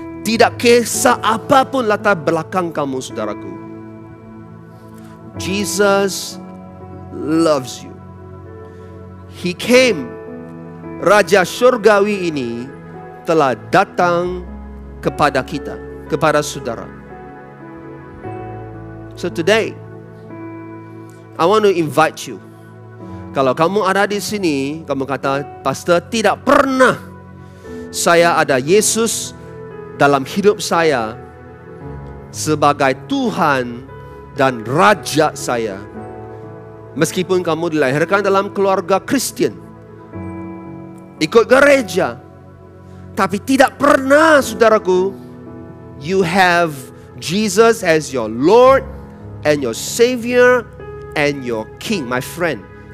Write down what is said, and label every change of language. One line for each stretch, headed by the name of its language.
Malay: Tidak kisah apapun latar belakang kamu, saudaraku.
English: Jesus loves you. He came.
Malay: Raja surgawi ini telah datang kepada kita, kepada saudara.
English: So today, I want to invite you.
Malay: Kalau kamu ada di sini, kamu kata, Pastor, tidak pernah saya ada Yesus dalam hidup saya sebagai Tuhan dan Raja saya. Meskipun kamu dilahirkan dalam keluarga Kristen, ikut gereja, tapi tidak pernah, saudaraku,
English: you have Jesus as your Lord and your Savior and your King, my friend.